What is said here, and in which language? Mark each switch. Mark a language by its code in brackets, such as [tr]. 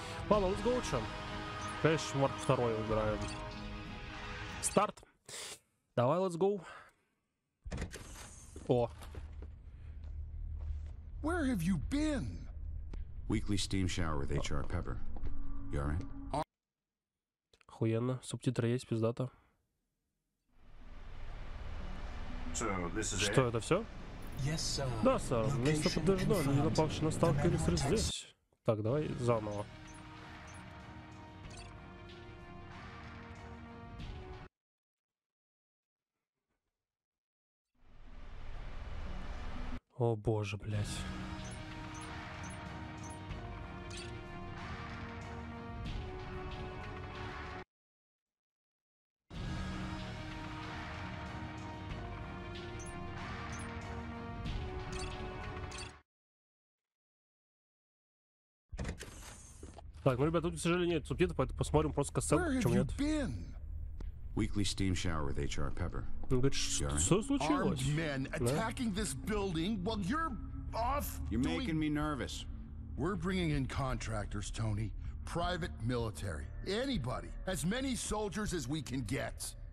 [ru] Ладно, [en] let's go, [ru] чем? Конечно, Марк второй выбираем. Старт. Давай, [en] let's go. О. Where have you been? Weekly steam shower with HR Pepper. You alright? [ru] Охуенно. Субтитры есть, пиздата. [en] So, this is [ru] что, [en] it? [ru] Это все? [en] Yes, sir. [ru] Да, сэр. Место подтверждено. Не напавший на сталкер или срез здесь. Так, давай заново. О боже, блядь. Так, ну, ребят, тут, к сожалению, нет субтитров, поэтому посмотрим просто касценку, чем нет. [en] Weekly steam shower with HR Pepper. [ru] Что случилось? [en] Armed men attacking this building while you're off. You're making me nervous. We're bringing in contractors, Tony. Private military. Anybody. As many soldiers as we can get.